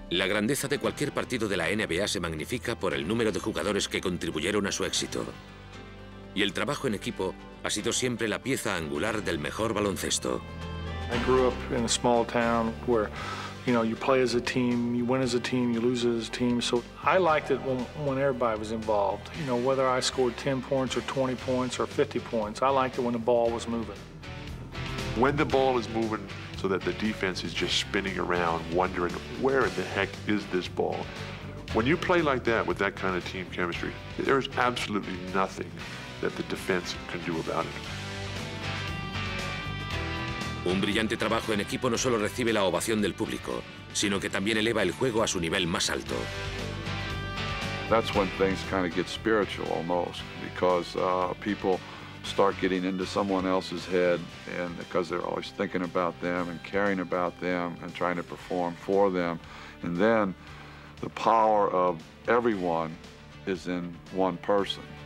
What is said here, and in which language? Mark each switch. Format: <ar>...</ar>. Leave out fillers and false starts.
<es>La grandeza de cualquier partido de la NBA se magnifica por el número de jugadores que contribuyeron a su éxito. Y el trabajo en equipo ha sido siempre la pieza angular del mejor baloncesto.</es> <en>I grew up in a small town where, you know, you play as a team, you win as a team, you lose as a team. So I liked it when everybody was involved. You know, whether I scored 10 points or 20 points or 50 points, I liked it when the ball was moving. When the ball is moving so that the defense is just spinning around wondering where the heck is this ball. When you play like that with that kind of team chemistry, there is absolutely nothing that the defense can do about it.</en> <es>Un brillante trabajo en equipo no solo recibe la ovación del público, sino que también eleva el juego a su nivel más alto.</es> <en>That's when things kind of get spiritual almost, because people start getting into someone else's head, and because they're always thinking about them and caring about them and trying to perform for them. And then the power of everyone is in one person.</en>